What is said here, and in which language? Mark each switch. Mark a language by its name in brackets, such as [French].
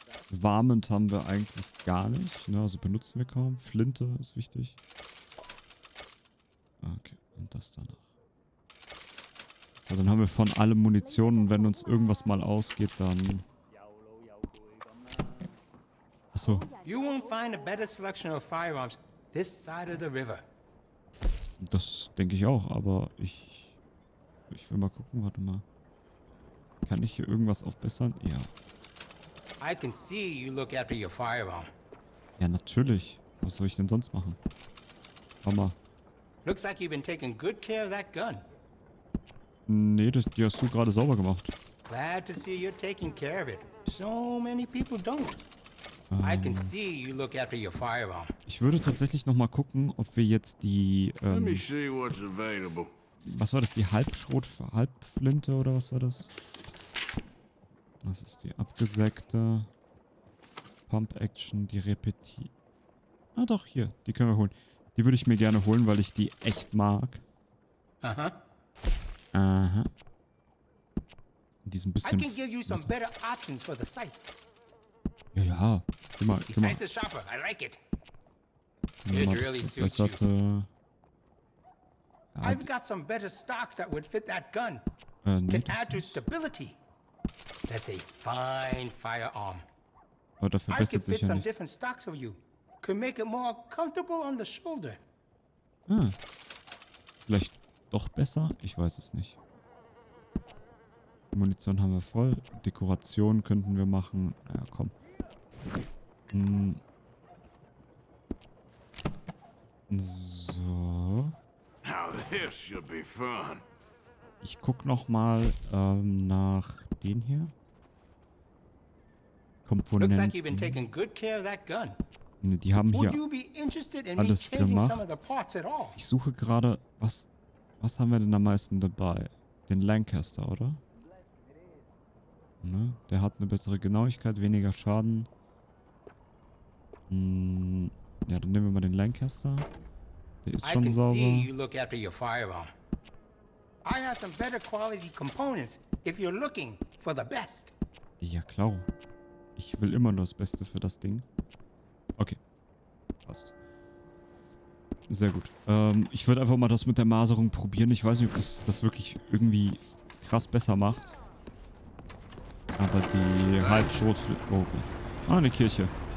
[German] Warmend haben wir eigentlich gar nicht. Ne? Also benutzen wir kaum. Flinte ist wichtig. Okay, und das danach. Ja, dann haben wir von allem Munition und wenn uns irgendwas mal ausgeht, dann. Achso. [English] You won't find a better selection of firearms this side of the river. [German] Das denke ich auch, aber ich will mal gucken, warte mal. Kann ich hier irgendwas aufbessern? Ja. [English] I can see you look after your firearm. [German] Ja, natürlich. Was soll ich denn sonst machen? Warte mal. [English] Looks like you've been taking good care of that gun. [German] Nee, das, die hast du gerade sauber gemacht. [English] Glad to see you're taking care of it. So many people don't. I can see you look after your firearm. [German] Ich würde tatsächlich nochmal gucken, ob wir jetzt die. [English] Let me see what's available. [German] Was war das? Die Halbschrot, Halbflinte oder was war das? Das ist die abgesägte. Pump Action, die Repeti. Ah doch, hier. Die können wir holen. Die würde ich mir gerne holen, weil ich die echt mag. Aha. Aha. Die ist ein bisschen. [English] I can give you some better options for the sights. [German] Ja, ja. Immer. Die [English] Size is sharper. I like it. It really suits you. I've got some better stocks that would fit that gun. [German] Nee, [English] can add to stability. That's a fine firearm. [German] Oh, dafür [English] I can fit some [German] nicht. [English] Different stocks for you. Could make it more comfortable on the shoulder. [German] Vielleicht. Doch besser? Ich weiß es nicht. Munition haben wir voll. Dekoration könnten wir machen. Naja, komm. So. [English] Now this should be fun. [German] Ich guck noch mal nach den hier. Komponenten. [English] Looks like you've been taking good care of that gun. [German] Die haben hier alles gemacht. Ich suche gerade, was haben wir denn am meisten dabei? Den Lancaster, oder? Ne? Der hat eine bessere Genauigkeit, weniger Schaden. Ja, dann nehmen wir mal den Lancaster. Der ist schon sauber. [English] You look after your firearm. I have some better quality components if you're looking for the best. [German] Ja, klar. Ich will immer nur das Beste für das Ding. Okay. Passt. Sehr gut. Ich würde einfach mal das mit der Maserung probieren. Ich weiß nicht, ob das wirklich irgendwie krass besser macht. Aber die Halbschrotflinte. Oh, okay. Ah, eine Kirche.